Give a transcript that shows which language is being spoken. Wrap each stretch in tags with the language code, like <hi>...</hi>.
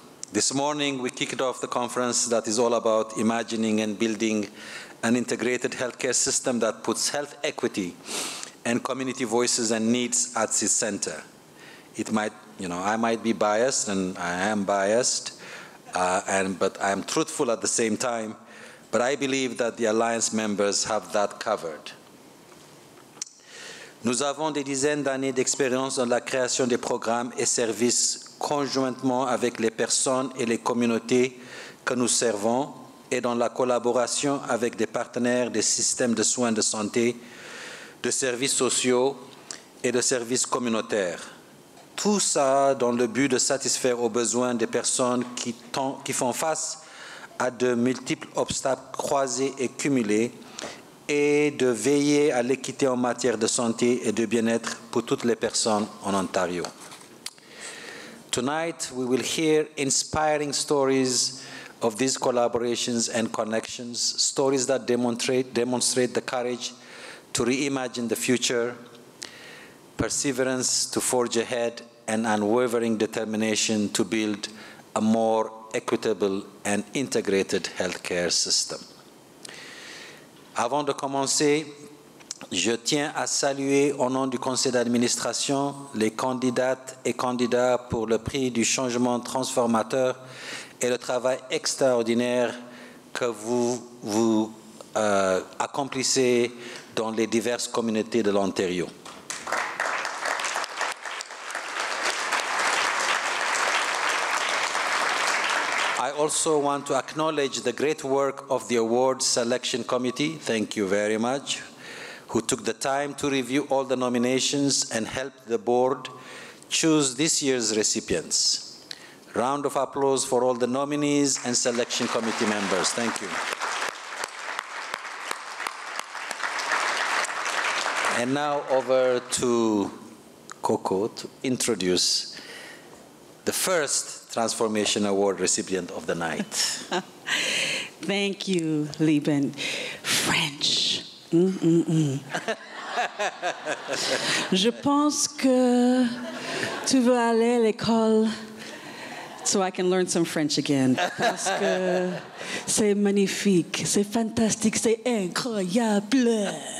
<en>This morning, we kicked off the conference that is all about imagining and building an integrated healthcare system that puts health equity and community voices and needs at its center. It might, you know, I might be biased, and I am biased, but I'm truthful at the same time, but I believe that the Alliance members have that covered.</en> <fr>Nous avons des dizaines d'années d'expérience dans la création des programmes et services conjointement avec les personnes et les communautés que nous servons et dans la collaboration avec des partenaires des systèmes de soins de santé, de services sociaux et de services communautaires. Tout ça dans le but de satisfaire aux besoins des personnes qui font face à de multiples obstacles croisés et cumulés et de veiller à l'équité en matière de santé et de bien-être pour toutes les personnes en Ontario.</fr> <en>Tonight, we will hear inspiring stories of these collaborations and connections, stories that demonstrate the courage to reimagine the future, perseverance to forge ahead, and unwavering determination to build a more equitable and integrated healthcare system.</en> <fr>Avant de commencer, je tiens à saluer au nom du conseil d'administration les candidates et candidats pour le prix du changement transformateur et le travail extraordinaire que vous accomplissez dans les diverses communautés de l'Ontario.</fr> <en>I also want to acknowledge the great work of the award selection committee, thank you very much, who took the time to review all the nominations and helped the board choose this year's recipients. Round of applause for all the nominees and selection committee members. Thank you. And now over to Coco to introduce the first Transformation Award recipient of the night. Thank you, Lieben. French.</en> <fr>Je pense que tu veux aller à l'école</fr> <en>so I can learn some French again.</en> <fr>Parce que c'est magnifique, c'est fantastique, c'est incroyable.</fr>